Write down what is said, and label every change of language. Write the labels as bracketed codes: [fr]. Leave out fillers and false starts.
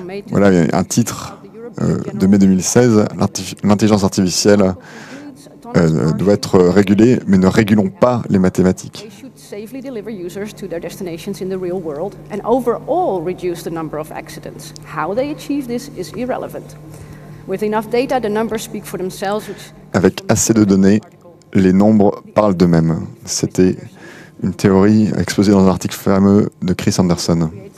[fr] Voilà un titre de mai 2016, l'intelligence artificielle doit être régulée, mais ne régulons pas les mathématiques. [en] Safely deliver users to their destinations in the real world and overall reduce the number of accidents. How they achieve this is irrelevant. With enough data, the numbers speak for themselves. [fr] Avec assez de données, les nombres parlent d'eux-mêmes. C'était une théorie exposée dans un article fameux de Chris Anderson.